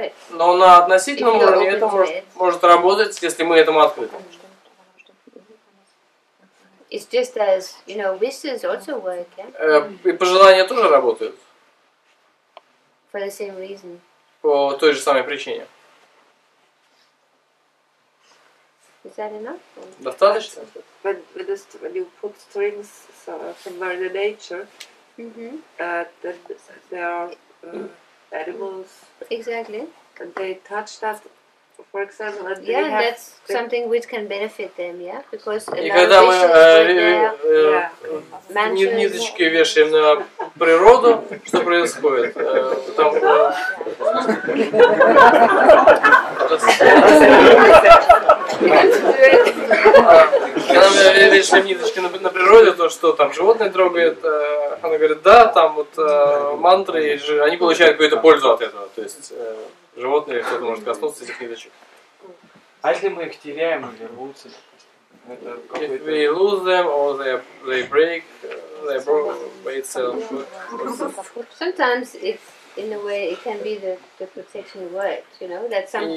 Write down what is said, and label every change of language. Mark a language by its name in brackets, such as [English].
[Russian] Но на относительном уровне это может работать, если мы этому открыты. [English] It's just as, you know, wishes also work, yeah? [Russian] И пожелания тоже работают. [English] For the same reason. [Russian] По той же самой причине. [English] Is that enough? [Russian] Достаточно? [English] But just when you put strings from Mother Nature, that there are animals. Exactly. And they touch that. For example, yeah, that's something which can benefit them, yeah, because [Russian] и когда мы ниточки вешаем на природу, что происходит? Там когда мы вешаем ниточки на природе, то что там животные трогают, она говорит, да, там вот мантры, они получают какую-то пользу от этого, то есть. Животные, кто-то может коснуться этих ниточек. А если мы их теряем или рвутся? [English] If we lose them, or they break, they broke by itself. Sometimes it's, in a way, it can be the protection word, you know, that something.